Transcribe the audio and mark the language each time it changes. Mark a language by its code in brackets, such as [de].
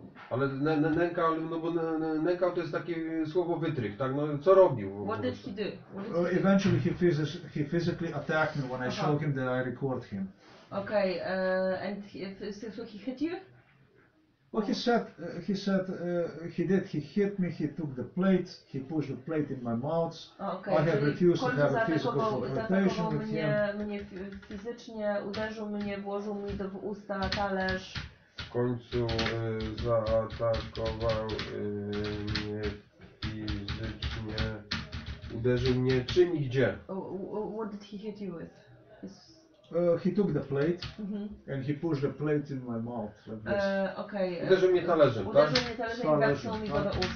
[pl] Ale nękał, no bo nękał to jest takie słowo wytrych, tak? No co robił? [en] What did he do? Eventually he physically attacked me when I showed him that I record him. Okay, and so he hit you? Well, he hit me, he took the plate, he pushed the plate in my mouth. Okay, I have refused to have a physical confrontation with him. [pl] Mnie fizycznie uderzył mnie, włożył mi do usta talerz. W końcu zaatakował mnie fizycznie. Uderzył mnie czym i gdzie? [en] What did he hit you with? He took the plate, mm-hmm. and he pushed the plate in my mouth, like this. Okay. [pl] Uderzył mnie talerzem, tak? Uderzył mnie talerzem, tak?